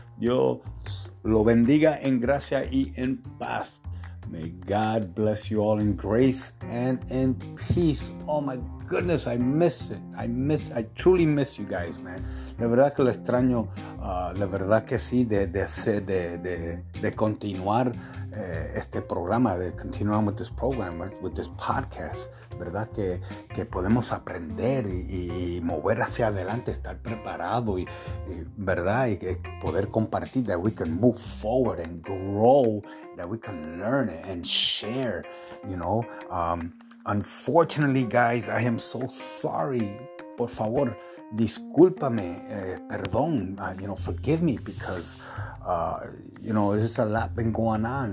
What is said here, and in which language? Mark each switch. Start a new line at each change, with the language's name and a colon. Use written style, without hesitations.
Spanish: Dios lo bendiga en gracia y en paz.
English: May God bless you all in grace and in peace. Oh my goodness, I miss it. I truly miss you guys, man.
Spanish: La verdad que lo extraño, la verdad que sí, de continuar este programa, de continuar
English: with this program, with this podcast,
Spanish: ¿verdad? Que podemos aprender y mover hacia adelante, estar preparado y ¿verdad? Y poder compartir,
English: that we can move forward and grow, that we can learn and share, you know. Unfortunately, guys, I am so sorry.
Spanish: Por favor, discúlpame, perdón,
English: you know, forgive me, because, you know, there's a lot been going on.